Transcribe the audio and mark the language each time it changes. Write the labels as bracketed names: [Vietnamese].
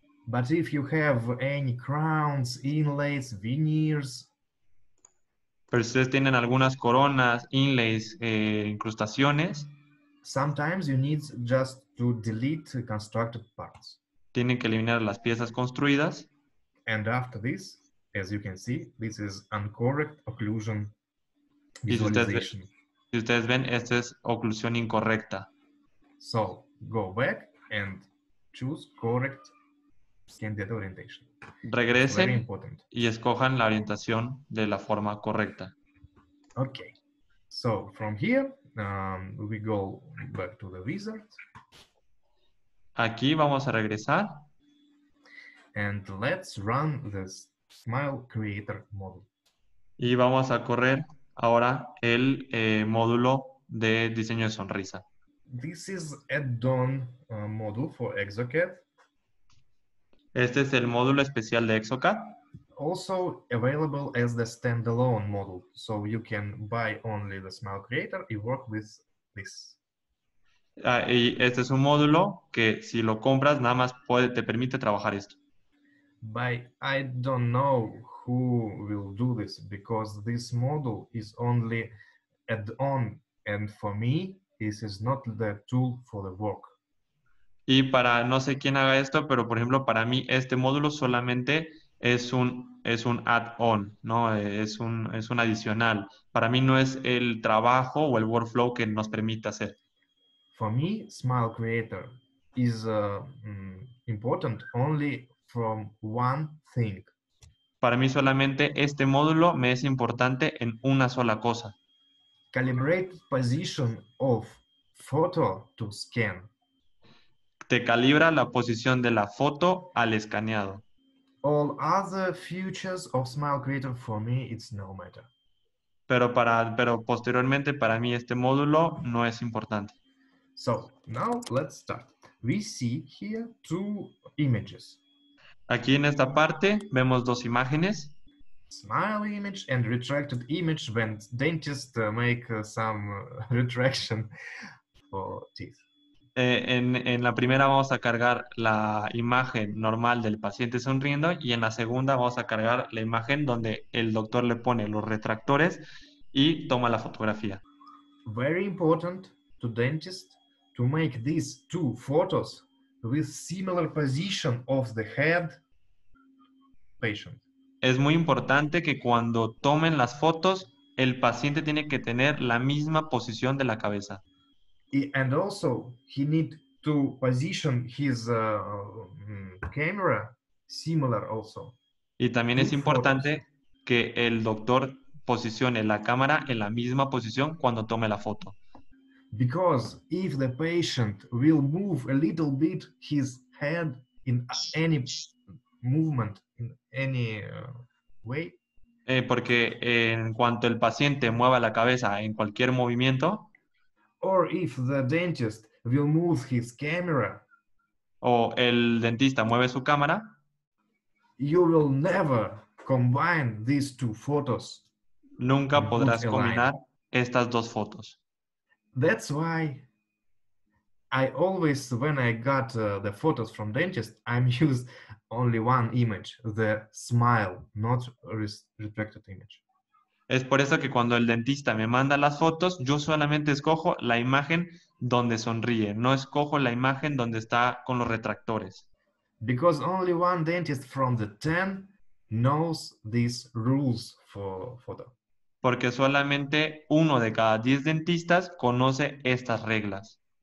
[English] But if you have any crowns, inlays, veneers, [Spanish] pero si ustedes tienen algunas coronas, inlays, incrustaciones, [English] sometimes you need just to delete constructed parts. [Spanish] Tienen que eliminar las piezas construidas. [English] And after this, as you can see, this is incorrect occlusion [Spanish] visualization. Si ustedes ven, esta es oclusión incorrecta. [English] So, go back and choose correct candidate orientation. [Spanish] Regresen [English] very important. [Spanish] Y escojan la orientación de la forma correcta. [English] Okay. So from here, we go back to the wizard. [Spanish] Aquí vamos a regresar. [English] And let's run the Smile Creator module. [Spanish] Y vamos a correr ahora el módulo de diseño de sonrisa. [English] This is add-on module for ExoCAD. [Spanish] Este es el módulo especial de ExoCAD. [English] Also available as the standalone module. So you can buy only the Smile Creator and work with this. [Spanish] Y este es un módulo que si lo compras nada más puede, te permite trabajar esto. [English] But I don't know who will do this because this module is only add-on and for me this is not the tool for the work. [Spanish] Y para no sé quién haga esto, pero por ejemplo para mí este módulo solamente es un add-on, ¿no? Es un adicional. Para mí no es el trabajo o el workflow que nos permite hacer. [English] For me, Smile Creator is important only from one thing. [Spanish] Para mí solamente este módulo me es importante en una sola cosa. [English] Calibrate position of photo to scan. [Spanish] Te calibra la posición de la foto al escaneado. [English] All other features of Smile Creator for me, it's no matter. [Spanish] Pero posteriormente para mí este módulo no es importante. [English] So, now let's start. We see here two images. [Spanish] Aquí en esta parte vemos dos imágenes. [English] Smile image and retracted image when dentist make some retraction for teeth. [Spanish] En la primera vamos a cargar la imagen normal del paciente sonriendo y en la segunda vamos a cargar la imagen donde el doctor le pone los retractores y toma la fotografía. [English] Very important to dentist to make these two photos with similar position of the head patient. [Spanish] Es muy importante que cuando tomen las fotos, el paciente tiene que tener la misma posición de la cabeza. [English] And also, he need to position his camera similar also. [Spanish] Y también es importante que el doctor posicione la cámara en la misma posición cuando tome la foto. [English] Because if the patient will move a little bit his head in any movement, in any way. [Spanish] Porque en cuanto el paciente mueva la cabeza en cualquier movimiento. [English] Or if the dentist will move his camera. [Spanish] O el dentista mueve su cámara. [English] You will never combine these two photos. [Spanish] Nunca podrás combinar estas dos fotos. [English] That's why I always, when I got the photos from dentist, I'm used only one image, the smile, not retracted image. [Spanish] Es por eso que cuando el dentista me manda las fotos, yo solamente escojo la imagen donde sonríe, no escojo la imagen donde está con los retractores. [English] Because only one dentist from the 10 knows these rules for photo. [Spanish] Porque solamente uno de cada 10 dentistas conoce estas reglas.